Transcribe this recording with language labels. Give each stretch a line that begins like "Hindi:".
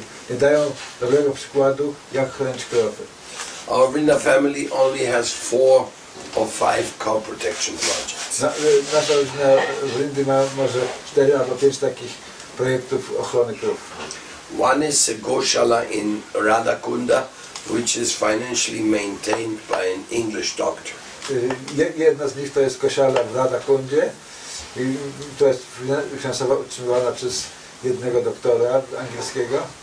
Polish: Nie dają dobrego przykładu, jak chronić krowy.
English: Our Vrinda family only has 4 or 5 cow protection projects.
Polish: Nasza rodzina Vrindy ma może 4 albo 5 takich projektów ochrony krów.
English: One is a goshala in Radhakunda, which is financially maintained by an English doctor.
Polish: Jedna z nich to jest goshala w Radhakundzie. To jest finansowo utrzymywana przez jednego doktora angielskiego.